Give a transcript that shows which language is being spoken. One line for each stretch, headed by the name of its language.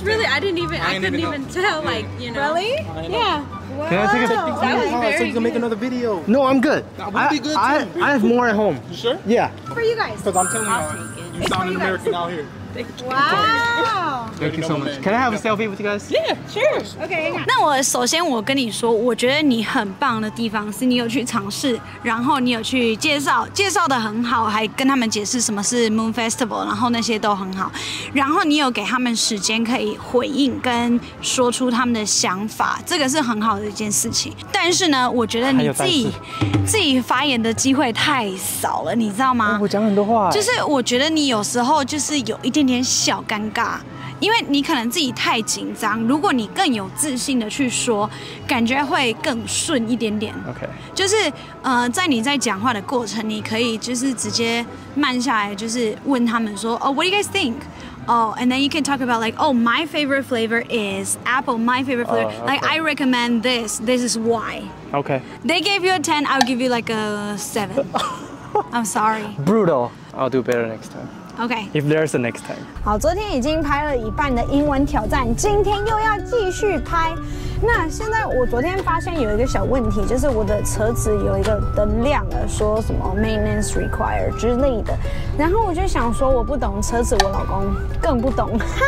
English: It's really, I couldn't even tell, like, you know. Really? Yeah. Wow. Can I take a picture? That was very good. So you can make another video. No, I'm good. That would be good too. I have more at home. You sure? Yeah. For you guys. Because I'm telling you, you sound an American out here. Wow. Thank you so much. Can I have a selfie with you guys? Yeah, sure. Okay.
Chinese: 那我首先我跟你说，我觉得你很棒的地方是你有去尝试，然后你有去介绍的很好，还跟他们解释什么是 Moon Festival， 然后那些都很好，然后你有给他们时间可以回应跟说出他们的想法，这个是很好的一件事情。但是呢，我觉得你自己发言的机会太少了，你知道吗？我讲很多话。就是我觉得你有时候就是有一点点小尴尬，因为你可能自己太紧张，如果你更有自信的去说，感觉会更顺一点点。 OK，就是在你在讲话的过程，你可以就是直接慢下来，就是问他们说，哦、
English: what do you guys think？ Oh, and then you can talk about like, oh, my favorite flavor is apple, my favorite flavor.、Okay. Like, I recommend this. This is why. Okay. They gave you a 10, I'll give you like a 7. I'm sorry. Brutal. I'll do better next time. Okay. If there's a next time.
Chinese: 好，昨天已经拍了一半的英文挑战，今天又要继续拍。那现在我昨天发现有一个小问题，就是我的车子有一个灯亮了，说什么
English: maintenance required
Chinese: 之类的，然后我就想说我不懂车子，我老公更不懂，哈。